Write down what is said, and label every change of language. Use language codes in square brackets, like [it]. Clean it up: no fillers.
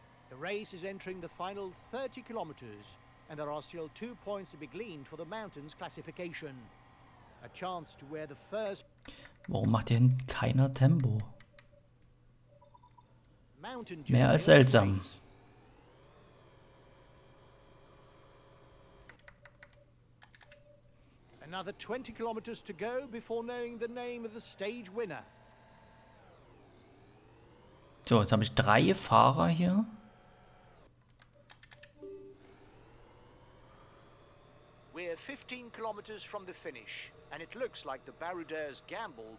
[en] The race is entering the final 30 kilometers and there are still 2 points to be gleaned for the mountains classification. A chance to wear the first. [de] Warum macht hier hinten keiner Tempo? Mehr als seltsam. [en] Another 20 kilometers to go before knowing the name of the stage winner. [de] So, jetzt habe ich 3 Fahrer hier. [en] We're 15 kilometers from the finish. And it looks like the Baroudeurs gamble